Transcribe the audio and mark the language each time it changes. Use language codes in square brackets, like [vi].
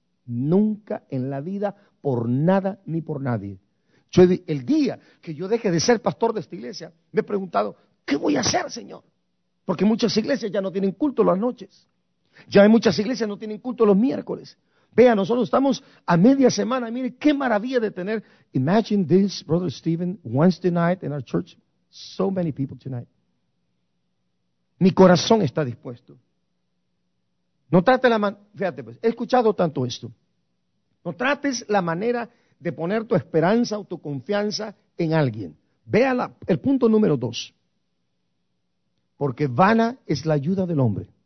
[es] Nunca en la vida, por nada ni por nadie. Yo, el día que yo deje de ser pastor de esta iglesia, me he preguntado, ¿qué voy a hacer, Señor? Porque muchas iglesias ya no tienen culto las noches. Ya hay muchas iglesias no tienen culto los miércoles. Vea, nosotros estamos a media semana. Mire, qué maravilla de tener. [en] Imagine this, Brother Stephen, Wednesday night in our church. So many people tonight. [es] Mi corazón está dispuesto. No trates la manera. Fíjate, pues, he escuchado tanto esto. No trates la manera de poner tu esperanza o tu confianza en alguien. Vea el punto número 2. Porque vana es la ayuda del hombre.